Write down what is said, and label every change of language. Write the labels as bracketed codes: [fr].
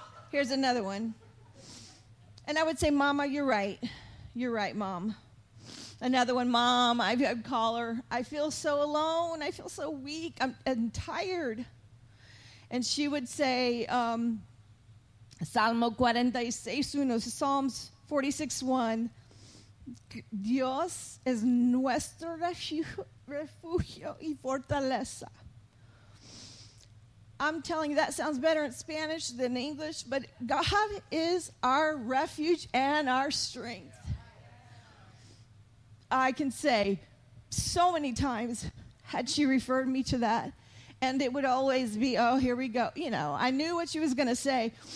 [en] Here's another one. And I would say, Mama, you're right. You're right, Mom. Another one, Mom, I'd call her. I feel so alone. I feel so weak. I'm tired. And she would say, Salmo 46, 1, Psalms 46, 1. [es] Dios es nuestro refugio y fortaleza. [en] I'm telling you, that sounds better in Spanish than English, but God is our refuge and our strength. I can say so many times had she referred me to that. And it would always be, oh, here we go. You know, I knew what she was going to say.